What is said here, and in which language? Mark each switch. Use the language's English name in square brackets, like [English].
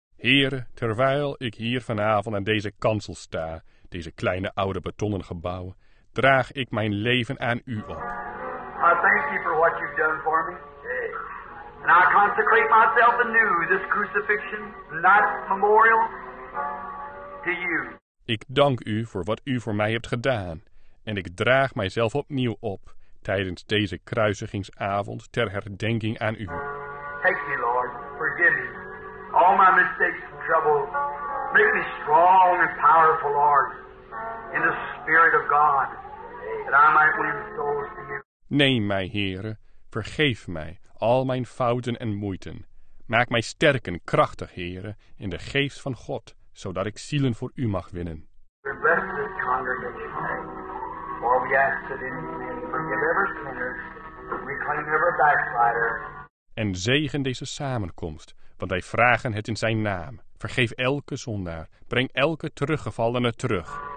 [Dutch] Heere, terwijl ik hier vanavond aan deze kansel sta, deze kleine oude betonnen gebouw, draag ik mijn leven aan u op. [English] I thank you for what you've done for me. And I consecrate myself anew, this crucifixion, that memorial, to you. [Dutch] Ik dank u voor wat u voor mij hebt gedaan. En ik draag mijzelf opnieuw op tijdens deze kruisigingsavond ter herdenking aan u. [English] Take me, Lord. Forgive me. All my mistakes and trouble. Make me strong and powerful, Lord. In the Spirit of God, that I might win souls to you. [Dutch] Neem mij, Heere, vergeef mij al mijn fouten en moeiten. Maak mij sterk en krachtig, Heere, in de geest van God, zodat ik zielen voor u mag winnen. [English] We bless this congregation, for we ask that in your name forgive every sinner, reclaim every backslider. [Dutch] En zegen deze samenkomst, want wij vragen het in zijn naam. Vergeef elke zondaar, breng elke teruggevallene terug.